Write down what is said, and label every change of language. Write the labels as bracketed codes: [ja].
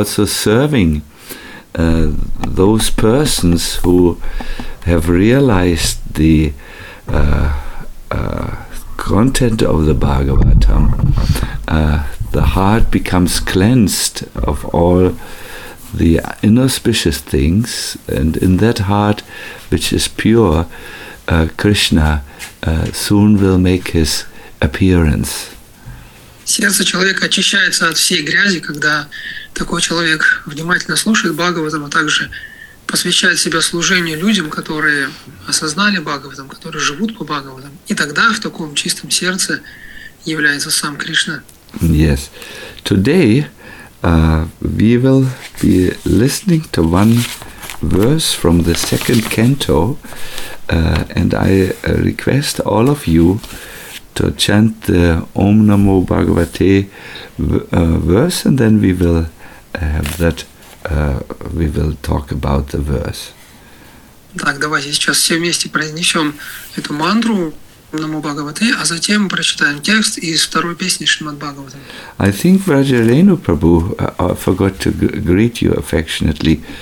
[en] also serving those persons who have realized the content of the Bhagavatam. The heart becomes cleansed of all the inauspicious things, and in that heart which is pure, Krishna soon will make his appearance. [ru] Сердце человека очищается от всей грязи, когда такой человек внимательно слушает Бхагаватам, а также посвящает себя служению людям, которые осознали Бхагаватам, которые живут по Бхагаватам. И тогда в таком чистом сердце является сам Кришна. [en] Yes. Today we will be listening to one verse from the second canto, and I request all of you to chant the Om Namo Bhagavate verse, and then we will have that. We will talk about the verse. [ru] Так, давайте сейчас все вместе произнесем эту мантру Om Namo Bhagavate, а затем прочитаем текст из второй песни Шримад Бхагаватам. [en] I think Vrajarenu Prabhu, I forgot to greet you affectionately.